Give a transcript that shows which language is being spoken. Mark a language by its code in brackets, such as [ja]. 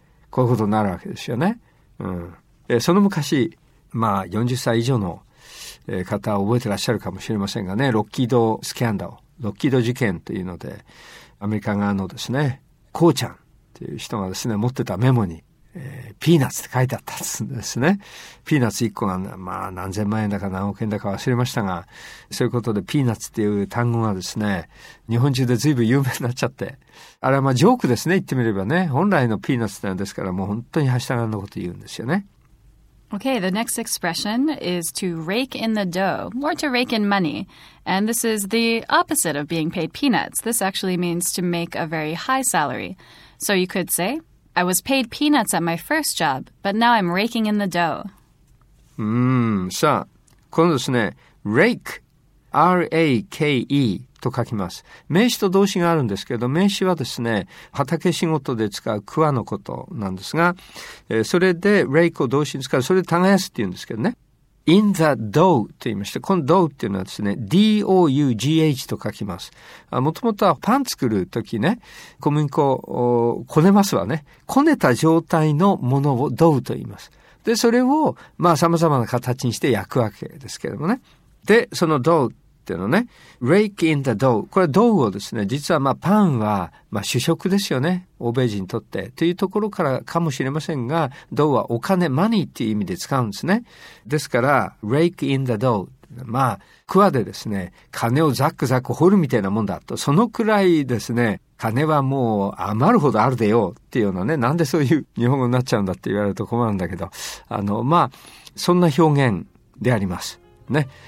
[ja] こういうことになるわけですよね。うん。その昔、まあ40歳以上の方は覚えてらっしゃるかもしれませんがね、ロッキードスキャンダル、ロッキード事件というので、アメリカ側のですね、こうちゃんっていう人がですね、持ってたメモに、ピーナッツって書いてあったんですね。ピーナッツ1個が、まあ何千万円だか何億円だか忘れましたが、そういうことでピーナッツっていう単語がですね、日本中で随分有名になっちゃって、あれはまあジョークですね、言ってみればね。本来のピーナッツなんですから、もう本当にはしたがんのこと言うんですよね。 [en] Okay, the next expression is to rake in the dough, or to rake in money. And this is the opposite of being paid peanuts. This actually means to make a very high salary. So you could say, I was paid peanuts at my first job, but now I'm raking in the dough. [ja] さあ、このですね、rake, R-A-K-E と書きます。名詞と動詞があるんですけど、名詞はですね、畑仕事で使う桑のことなんですが、それで rake を動詞に使う、それで耕すっていうんですけどね。 in the dough と言いまして、この dough っていうのはですね、d-o-u-g-h と書きます。もともとはパン作るときね、小麦粉をこねますわね。こねた状態のものを dough と言います。で、それを、まあ、様々な形にして焼くわけですけどもね。で、その dough っていうのね、 rake in the dough。これ dough をですね、実はまあ、パンは、まあ、主食ですよね。欧米人にとって。というところからかもしれませんが、dough はお金、money っていう意味で使うんですね。ですから、 rake in the dough。まあ、クワでですね、金をザクザク掘るみたいなもんだと。そのくらいですね、金はもう余るほどあるでよっていうようなね、なんでそういう日本語になっちゃうんだって言われると困るんだけど。まあ、そんな表現であります。ね。